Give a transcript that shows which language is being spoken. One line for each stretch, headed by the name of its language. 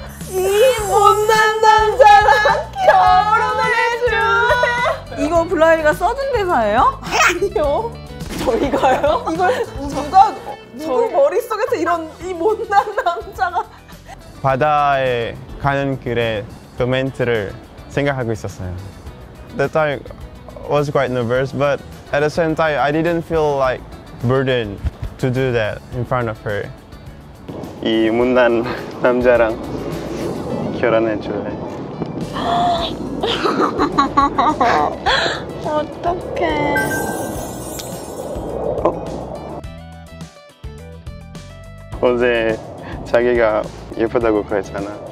Korean: 이 못난 남자랑 결혼해 줘! 이거 블라이가 써준 대사예요? 아니요. 저희가요? 이걸 누가 누구 머릿속에서 이런 이 못난 남자가 바다에 가는 길에 그 멘트를 생각하고 있었어요.
English: That I was quite nervous, but at the same time, I didn't feel like burden to do that in front of her.
Korean: 이 못난 남자랑 결혼해 줄래. 어떡해. 어제 자기가 예쁘다고 그랬잖아.